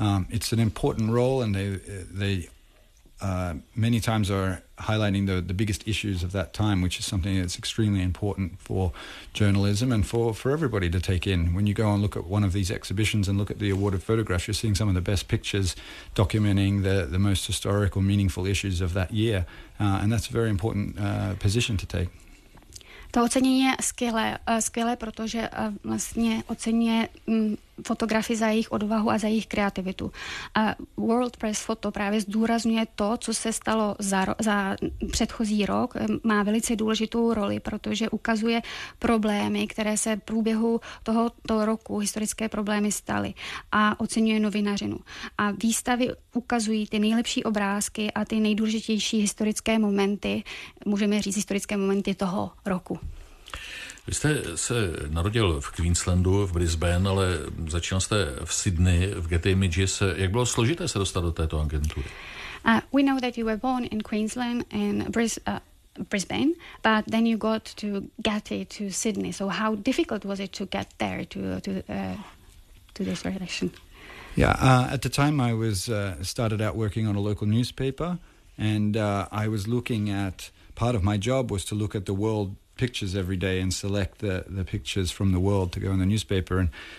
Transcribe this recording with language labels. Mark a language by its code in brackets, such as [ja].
[en] It's an important role, and they many times are highlighting the biggest issues of that time, which is something that's extremely important for journalism and for everybody to take in. When you go and look at one of these exhibitions and look at the awarded photographs, you're seeing some of the best pictures documenting the most historical, meaningful issues of that year. And that's a very important position to take. [cs] To ocenění je skvělé, skvělé, protože vlastně oceňuje fotografy za jejich odvahu a za jejich kreativitu. World Press Photo právě zdůrazňuje to, co se stalo za předchozí rok. Má velice důležitou roli, protože ukazuje problémy, které se v průběhu tohoto roku, historické problémy, staly a oceňuje novinařinu. A výstavy ukazují ty nejlepší obrázky a ty nejdůležitější historické momenty, můžeme říct historické momenty toho roku. Vy jste se narodil v Queenslandu, v Brisbane, ale začínal jste v Sydney, v Getty Images. Jak bylo složité se dostat do této agentury? [en] We know that you were born in Queensland and Brisbane, but then you got to Getty, to Sydney. So how difficult was it to get there, to this relation? Yeah, at the time I was started out working on a local newspaper, and I was looking at, part of my job was to look at the world pictures every day and select the pictures from the world to go in the newspaper.